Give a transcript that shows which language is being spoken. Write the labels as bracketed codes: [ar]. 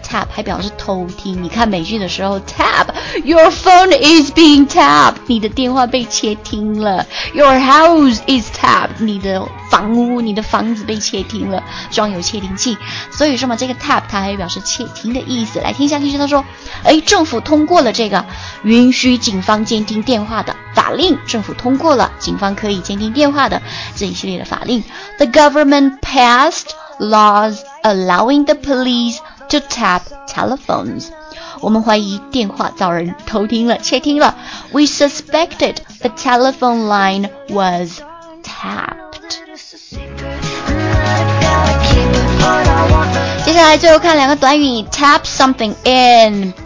[zh] tap 还表示偷听，你看美剧的时候 tap, [en] your phone is being tapped, [zh] 你的电话被窃听了， [en] your house is tapped, [zh] 你的房子被窃听了，装有窃听器。所以说嘛，这个 tap 它还表示窃听的意思。来听一下例句，他说，诶，政府通过了这个允许警方监听电话的法令，政府通过了警方可以监听电话的这一系列的法令。 [en] The government passed laws allowing the police to tap telephones. [zh] 我们怀疑电话遭人偷听了、窃听了。 [en] We suspected the telephone line was tapped. [zh] 接下来最后看两个短语， [en] tap something in.